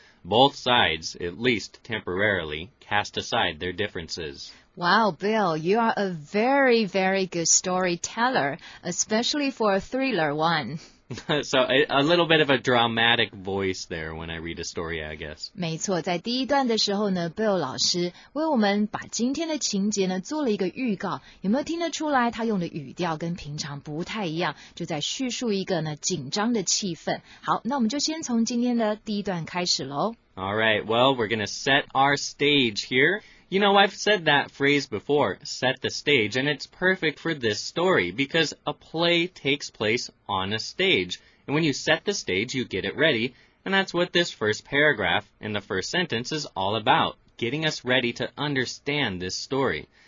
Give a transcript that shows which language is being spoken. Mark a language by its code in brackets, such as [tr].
[en] Both sides, at least temporarily, cast aside their differences. Wow, Bill, you are a very, very good storyteller, especially for a thriller one. So, a little bit of a dramatic voice there when I read a story, I guess. [zh] 没错，在第一段的时候呢 ,Bill 老师为我们把今天的情节呢做了一个预告。有没有听得出来他用的语调跟平常不太一样，就在叙述一个呢紧张的气氛。好，那我们就先从今天的第一段开始咯。 [en] All right, well, we're going to set our stage here. You know, I've said that phrase before, set the stage, and it's perfect for this story because a play takes place on a stage. And when you set the stage, you get it ready. And that's what this first paragraph and the first sentence is all about, getting us ready to understand this story.